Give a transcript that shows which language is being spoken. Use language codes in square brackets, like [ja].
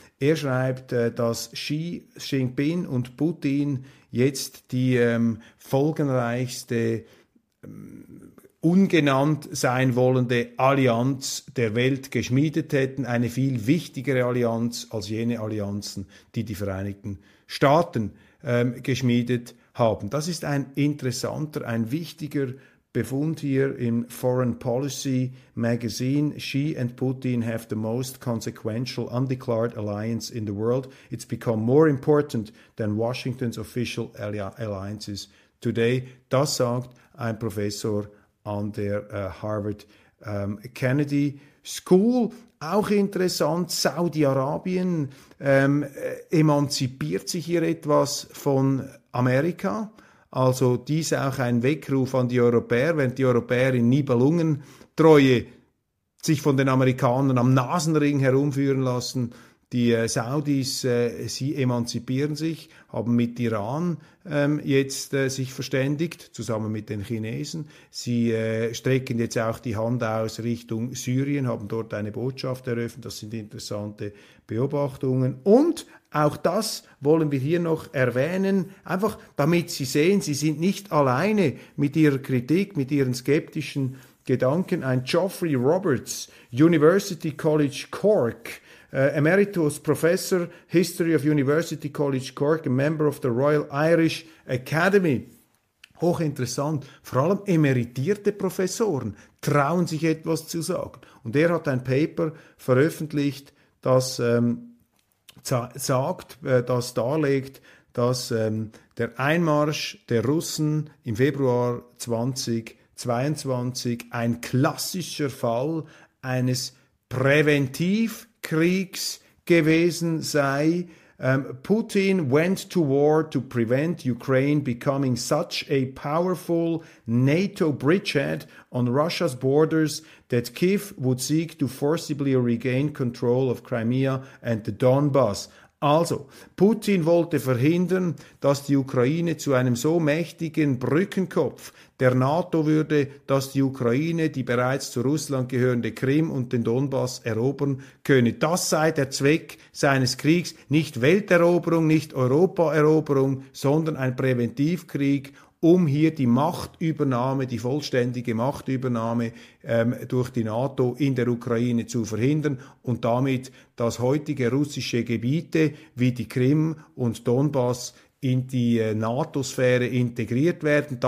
[de] Er schreibt, dass Xi Jinping und Putin jetzt die folgenreichste, ungenannt sein wollende Allianz der Welt geschmiedet hätten. Eine viel wichtigere Allianz als jene Allianzen, die die Vereinigten Staaten geschmiedet haben. Das ist ein interessanter, ein wichtiger Befund hier im Foreign Policy Magazine. [en] Xi and Putin have the most consequential undeclared alliance in the world. It's become more important than Washington's official alliances today. [de] Das sagt ein Professor an der Harvard Kennedy School. Auch interessant, Saudi-Arabien emanzipiert sich hier etwas von Amerika. Also dies auch ein Weckruf an die Europäer, wenn die Europäer in Nibelungentreue sich von den Amerikanern am Nasenring herumführen lassen. Die Saudis, sie emanzipieren sich, haben mit Iran jetzt sich verständigt, zusammen mit den Chinesen. Sie strecken jetzt auch die Hand aus Richtung Syrien, haben dort eine Botschaft eröffnet. Das sind interessante Beobachtungen. Und auch das wollen wir hier noch erwähnen, einfach damit Sie sehen, Sie sind nicht alleine mit Ihrer Kritik, mit Ihren skeptischen Gedanken. Ein [en] Geoffrey Roberts, University College Cork, Emeritus Professor, History of University College Cork, a member of the Royal Irish Academy. [de] Hochinteressant, vor allem emeritierte Professoren trauen sich etwas zu sagen. Und er hat ein Paper veröffentlicht, das sagt, das darlegt, dass der Einmarsch der Russen im Februar 2022 ein klassischer Fall eines Präventivkriegs gewesen sei. [en] Putin went to war to prevent Ukraine becoming such a powerful NATO bridgehead on Russia's borders that Kyiv would seek to forcibly regain control of Crimea and the Donbass. [de] Also, Putin wollte verhindern, dass die Ukraine zu einem so mächtigen Brückenkopf der NATO würde, dass die Ukraine die bereits zu Russland gehörende Krim und den Donbass erobern könne. Das sei der Zweck seines Kriegs, nicht Welteroberung, nicht Europaeroberung, sondern ein Präventivkrieg, um hier die Machtübernahme, die vollständige Machtübernahme durch die NATO in der Ukraine zu verhindern und damit das heutige russische Gebiete wie die Krim und Donbass in die NATO-Sphäre integriert werden.